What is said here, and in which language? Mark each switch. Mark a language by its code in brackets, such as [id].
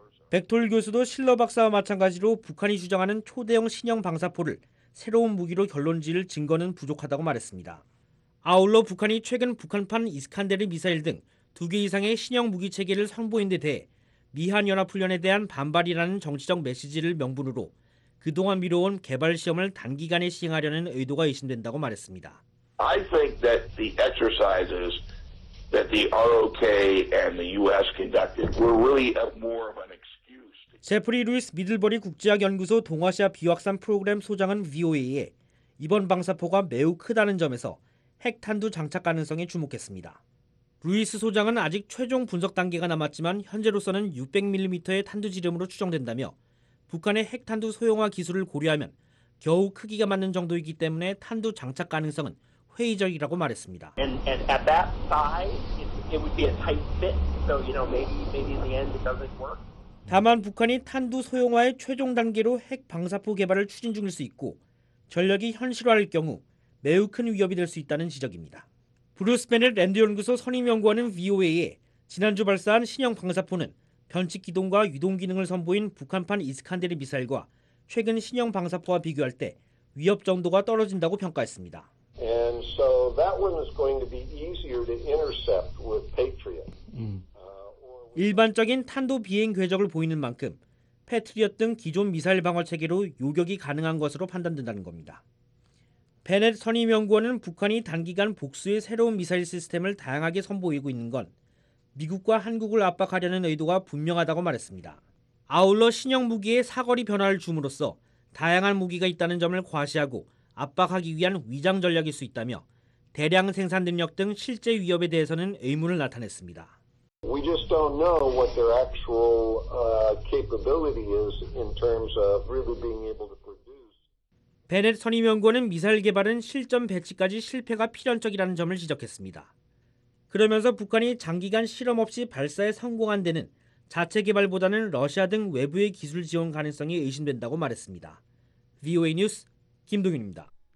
[ko] 백톨 교수도 실러 박사와 마찬가지로 북한이 주장하는 초대형 신형 방사포를 새로운 무기로 결론 지을 증거는 부족하다고 말했습니다. 아울러 북한이 최근 북한판 이스칸데르 미사일 등 2개 이상의 신형 무기 체계를 선보인 데 대해 미한연합훈련에 대한 반발이라는 정치적 메시지를 명분으로 그동안 미뤄온 개발 시험을 단기간에 시행하려는 의도가 의심된다고 말했습니다. [en] I think that the exercises that the ROK and the US conducted were really more of an excuse. [ko] 제프리 루이스 미들버리 국제학연구소 동아시아 비확산 프로그램 소장은 VOA에 이번 방사포가 매우 크다는 점에서 핵탄두 장착 가능성에 주목했습니다. 루이스 소장은 아직 최종 분석 단계가 남았지만 현재로서는 600mm의 탄두 지름으로 추정된다며 북한의 핵탄두 소형화 기술을 고려하면 겨우 크기가 맞는 정도이기 때문에 탄두 장착 가능성은 회의적이라고 말했습니다. [en] And at that size, it would be a tight fit. So, you know, maybe in the end it doesn't work. [ko] 다만 북한이 탄두 소형화의 최종 단계로 핵 방사포 개발을 추진 중일 수 있고 전력이 현실화할 경우 매우 큰 위협이 될 수 있다는 지적입니다. 브루스 베넷 랜드연구소 선임연구원은 VOA에 지난주 발사한 신형 방사포는 변칙 기동과 유동 기능을 선보인 북한판 이스칸데르 미사일과 최근 신형 방사포와 비교할 때 위협 정도가 떨어진다고 평가했습니다. [en] And so that one is going to be easier to intercept with Patriot. [ko] 일반적인 탄도 비행 궤적을 보이는 만큼 패트리엇 등 기존 미사일 방어 체계로 요격이 가능한 것으로 판단된다는 겁니다. 베넷 선임 연구원은 북한이 단기간 복수의 새로운 미사일 시스템을 다양하게 선보이고 있는 건 미국과 한국을 압박하려는 의도가 분명하다고 말했습니다. 아울러 신형 무기의 사거리 변화를 줌으로써 다양한 무기가 있다는 점을 과시하고 압박하기 위한 위장 전략일 수 있다며 대량 생산 능력 등 실제 위협에 대해서는 의문을 나타냈습니다. [en] We just don't know what their actual capability is in terms of really being able to produce. [ko] 베넷 선임연구원은 미사일 개발은 실전 배치까지 실패가 필연적이라는 점을 지적했습니다. 그러면서 북한이 장기간 실험 없이 발사에 성공한 데는 자체 개발보다는 러시아 등 외부의 기술 지원 가능성이 의심된다고 말했습니다. VOA 뉴스 김동윤입니다.